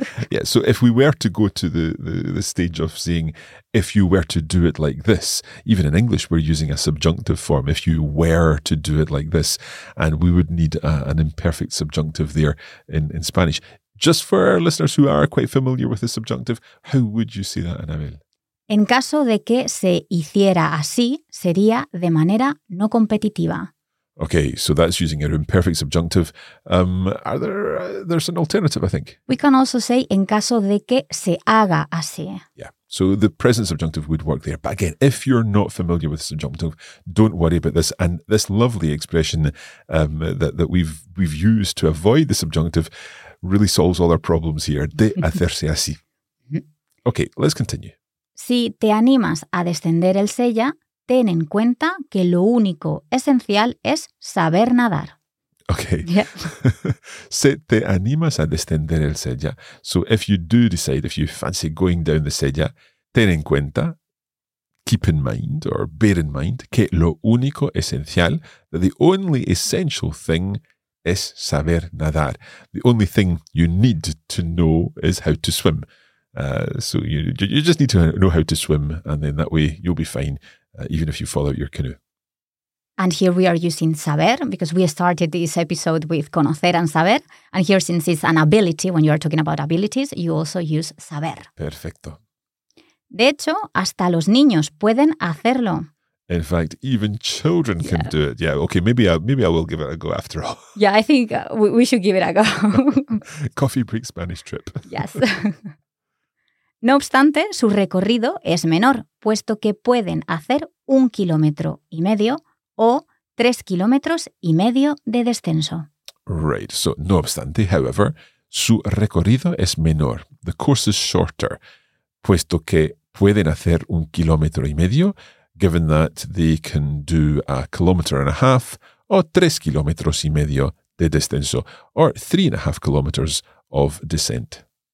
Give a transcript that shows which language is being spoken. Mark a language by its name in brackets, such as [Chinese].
[English] Yeah, so if we were to go to the stage of saying, if you were to do it like this, even in English, we're using a subjunctive form, if you were to do it like this, and we would need an imperfect subjunctive there in Spanish. Just for our listeners who are quite familiar with the subjunctive, how would you say that, Anabel? [Spanish] En caso de que se hiciera así, sería de manera no competitiva. [English] Okay, so that's using an imperfect subjunctive. There's an alternative, I think. We can also say, [Spanish] en caso de que se haga así. [English] Yeah, so the present subjunctive would work there. But again, if you're not familiar with subjunctive, don't worry about this. And this lovely expression that we've used to avoid the subjunctive really solves all our problems here. [Spanish] De hacerse así. [English] Okay, let's continue. [Spanish] Si te animas a descender el sella, ten en cuenta que lo único esencial es saber nadar. Okay. Yeah. Si te animas a descender el sella. [English] So if you do decide, if you fancy going down the sella, [Spanish] ten en cuenta, [English] keep in mind or bear in mind, [Spanish] que lo único esencial, [English] that the only essential thing [Spanish] es saber nadar. [English] The only thing you need to know is how to swim. So you just need to know how to swim, and then that way you'll be fine, even if you fall out your canoe. And here we are using saber, because we started this episode with conocer and saber. And here, since it's an ability, when you are talking about abilities, you also use saber. [Spanish] Perfecto. De hecho, hasta los niños pueden hacerlo. [English] In fact, even children can do it. Yeah, okay, maybe I will give it a go after all. Yeah, I think we should give it a go. Coffee break Spanish trip. Yes. [Spanish] No obstante, su recorrido es menor, puesto que pueden hacer 1.5 kilómetros o 3.5 kilómetros de descenso. [English] Right. So, [Spanish] no obstante, [English] however, [Spanish] su recorrido es menor. [English] The course is shorter, [Spanish] puesto que pueden hacer 1.5 kilómetros, [English] given that they can do 1.5 kilómetros [Spanish] o 3.5 kilómetros de descenso, [English] or 3.5 kilómetros of descent.